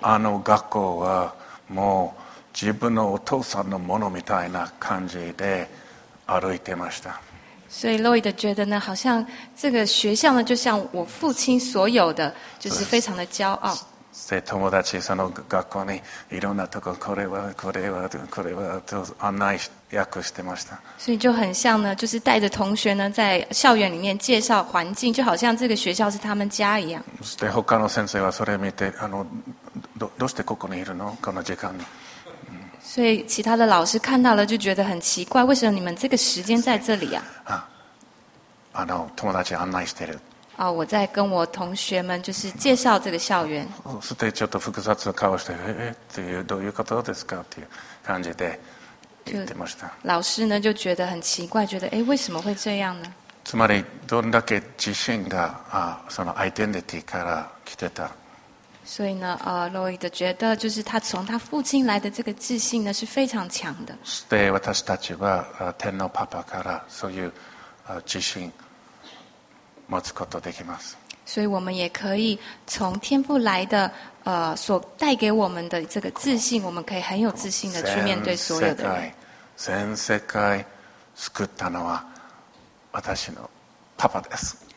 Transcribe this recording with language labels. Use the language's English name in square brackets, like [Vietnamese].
[Japanese] あの学校はもう自分のお父さんのものみたいな感じで歩いてました。 [Chinese] 所以ロイド觉得呢，好像这个学校呢，就像我父亲所有的，就是非常的骄傲。 [Japanese] で友達その学校にいろんなとここれはこれはこれはと案内訳してました。 [Chinese] 所以就很像呢，就是带着同学呢在校园里面介绍环境，就好像这个学校是他们家一样。 [Japanese] で他の先生はそれ見てどうしてここにいるのこの時間に。 [Chinese] 所以其他的老师看到了就觉得很奇怪，为什么你们这个时间在这里呀、啊？ [Japanese] 友達案内してる。 [Chinese] 我在跟我同学们就是介绍这个校园。 [Japanese] そしてちょっと複雑な顔して、っていうどういうことですかっていう感じで言ってました。 [Chinese] 老师呢就觉得很奇怪，觉得为什么会这样呢？ [Japanese] つまりどんだけ自信がそのアイデンティティから来てた。 [Chinese] 所以呢，洛伊德觉得就是他从他父亲来的这个自信呢是非常强的。 [Japanese] で私たちは天のパパからそういう自信持つことできます。 [Chinese] 所以我们也可以从天父来的所带给我们的这个自信，我们可以很有自信的去面对所有的人。 [Japanese] 全世界救ったのは私のパパです。